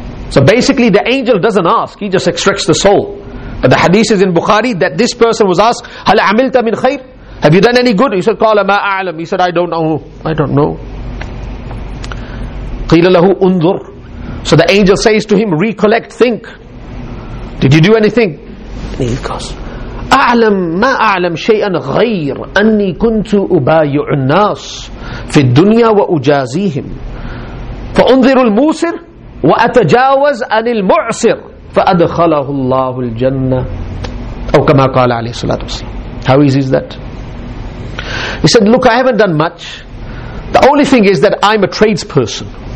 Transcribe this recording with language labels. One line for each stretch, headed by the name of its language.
English: So basically the angel doesn't ask, he just extracts the soul. But the hadith is in Bukhari that this person was asked,
Arabic: هَلْ عَمِلْتَ مِنْ خَيْرٍ.
English: Have you done any good? He said,
Arabic: قَالَ مَا أَعْلَمْ.
English: He said, I don't know.
Arabic: قِيلَ لَهُ أُنْذُرْ.
English: So the angel says to him, recollect, think. Did you do anything? And he goes,
Arabic: أعلم ما أعلم شيئا غير أني كنت أبايع الناس في الدنيا وأجازيهم، فأنذر الموسر وأتجاوز عن المعسر فأدخله الله الجنة، أو كما قال عليه الصلاة والسلام.
English: How easy is that? He said, look, I haven't done much. The only thing is that I'm a tradesperson.